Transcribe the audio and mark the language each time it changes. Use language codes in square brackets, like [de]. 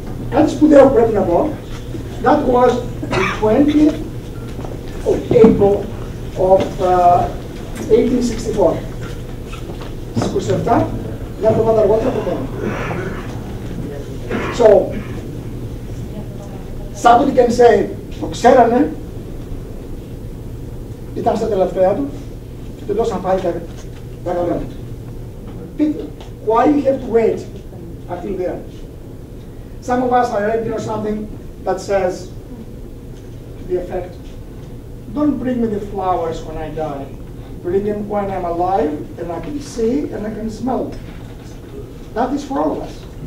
[el] Κάτι σπουδαίο που πρέπει να πω, [en] that was the 20th of April of 1864. [el] Στις 27, μια εβδομάδα αργότερα από τώρα. [en] So, somebody can say, [el] το ξέρανε, ήταν στα τελευταία του και του δώσαν πάλι τα γαλλικά του. [en] Peter, why you have to wait until there? Some of us are reading or something that says to the effect, don't bring me the flowers when I die. Bring them when I'm alive and I can see and I can smell. That is for all of us.